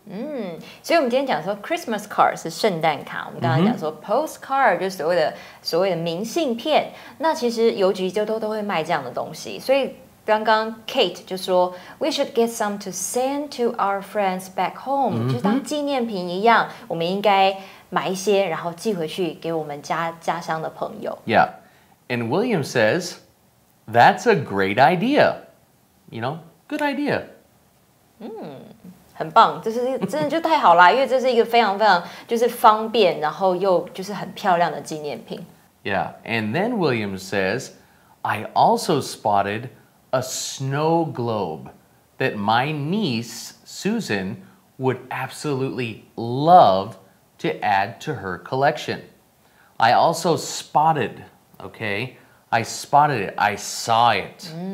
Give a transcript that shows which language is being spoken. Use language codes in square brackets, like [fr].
[zh] Mm. 所以我们今天讲说 Christmas card 是圣诞卡, 我们刚刚讲说 postcard 就是所谓的明信片, 那其实邮局都会卖这样的东西, 所以刚刚 Kate 就说 [en] We should get some to send to our friends back home, [zh] 就当纪念品一样, 我们应该买一些, 然后寄回去给我们家乡的朋友。 [en] Yeah, and William says, that's a great idea, you know? Good idea. [zh] 很棒,这是真的就太好啦, 因为这是一个非常非常就是方便, 然后又就是很漂亮的纪念品。 [en] Yeah, and then William says, I also spotted a snow globe that my niece, Susan, would absolutely love to add to her collection. I also spotted, okay? I spotted it, I saw it.